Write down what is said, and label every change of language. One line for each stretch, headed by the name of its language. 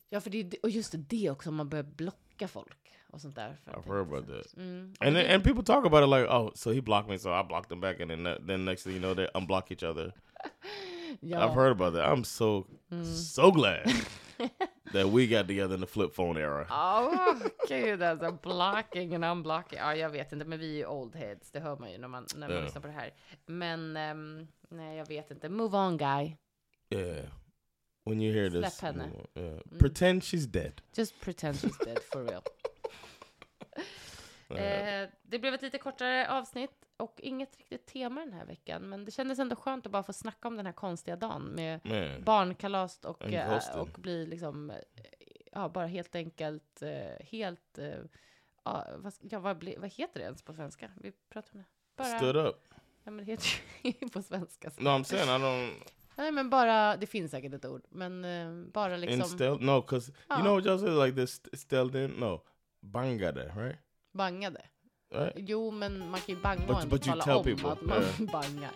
Swedish: Ja, för det är, och just det också, man börjar blocka folk. Och sånt där,
English: I've heard about that. And people talk about it like, oh, so he blocked me, so I blocked him back. And then next thing you know, they unblock each other.
Swedish: Ja.
English: I've heard about that. I'm so, so glad that we got together in the flip phone era.
Swedish: Oh, gud, alltså.
English: Blocking and unblocking.
Swedish: Ja, jag vet inte, men vi är ju
English: old heads.
Swedish: Det hör man ju när man yeah. lyssnar på det här. Men, nej, jag vet inte.
English: Move on, guy. Yeah. When you hear
Swedish: Släpp
English: this.
Swedish: Släpp henne.
English: Yeah. Pretend she's dead. Just pretend she's dead, for real.
Swedish: Det blev ett lite kortare avsnitt och inget riktigt tema den här veckan, men det kändes ändå skönt att bara få snacka om den här konstiga dagen med barnkalast och bli liksom bara helt enkelt helt vad heter det ens på svenska? Vi pratar om det. Bara,
English: stood up.
Swedish: Ja, men det heter ju på svenska.
English: No, I'm saying I don't.
Swedish: Nej, men bara det finns säkert ett ord, men bara liksom
English: instilled? No, because you know what you say like this instilled in? No. Bangade, right?
Swedish: Bangade.
English: Right?
Swedish: Jo, men man kan ju banga
English: but,
Swedish: och inte tala om att man bangar.